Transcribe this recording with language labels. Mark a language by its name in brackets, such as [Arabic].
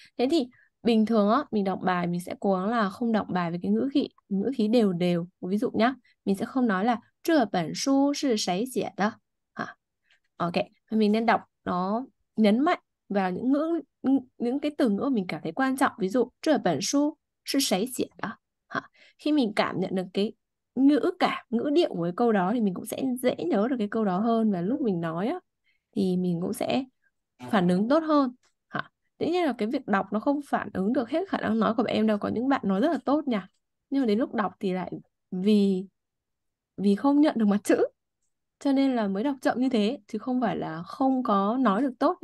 [Vietnamese] Thế thì bình thường á, mình đọc bài mình sẽ cố gắng là không đọc bài với cái ngữ khí đều đều. Ví dụ nhá, mình sẽ không nói là [Chinese] "这本书是谁写的" [Vietnamese] ha. OK, mình nên đọc nó nhấn mạnh vào những cái từ ngữ mình cảm thấy quan trọng. Ví dụ [Chinese] "这本书是谁写的" [Vietnamese] ha. Khi mình cảm nhận được cái ngữ điệu của cái câu đó thì mình cũng sẽ dễ nhớ được cái câu đó hơn, và lúc mình nói á thì mình cũng sẽ phản ứng tốt hơn. Tất nhiên là cái việc đọc nó không phản ứng được hết khả năng nói của bạn em đâu, có những bạn nói rất là tốt nha, nhưng mà đến lúc đọc thì lại vì vì không nhận được mặt chữ cho nên là mới đọc chậm như thế, chứ không phải là không có nói được tốt.